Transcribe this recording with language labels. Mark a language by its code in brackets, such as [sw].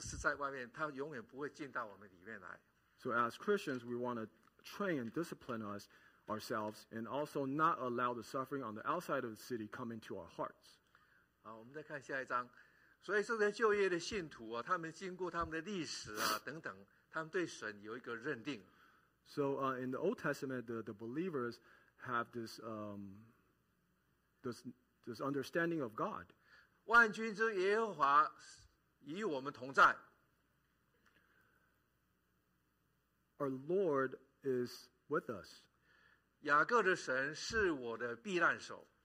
[zh] 所以说基督徒操练与神同在，最重要的目的不是最重要的。我说操练与神同在里面有一个，就是说操练依靠神，让外面的平安只是在外面，它永远不会进到我们里面来。 [en] So as Christians, we want to train and discipline us ourselves and also not allow the suffering on the outside of the city come into our hearts. [zh] 好，我们再看下一章。所以这些旧约的信徒啊，他们经过他们的历史啊等等，他们对神有一个认定。 [en] So in the Old Testament, the believers have this this understanding of God. [zh] 万军之耶和华与我们同在。 [en] Our Lord is with us. [zh] 雅各的神是我的避难所。